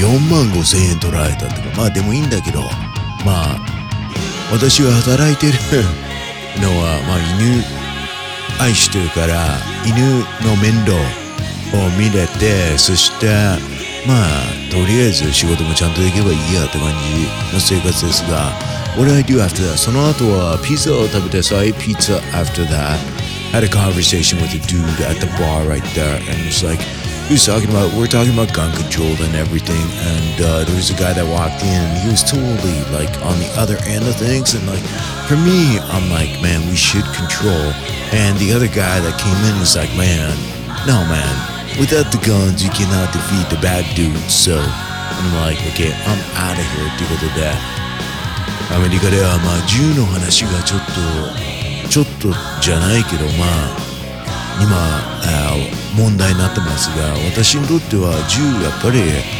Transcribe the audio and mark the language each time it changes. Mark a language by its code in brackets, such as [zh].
[ja] 万5千円取られたとか、まあでもいいんだけど、まあ私が働いてるのは、まあ犬愛してるから犬の面倒を見れて、そしてまあとりあえず仕事もちゃんとできればいいやって感じの生活ですが、 [en] What do I do after that? [ja] その後はピザを食べて、 [en] So I ate pizza after that. Had a conversation with a dude at the bar right there and it's likeHe was talking about, we're talking about gun control and everything, and there was a guy that walked in and he was totally like on the other end of things, and like for me, I'm like, man, we should control. And the other guy that came in was like, man, no man, without the guns, you cannot defeat the bad dudes. So I'm like, okay, I'm out of here, [ja] ってことで、アメリカでは、まあ、銃の話がちょっとじゃないけど、まあ今問題になってますが、私にとっては銃やっぱり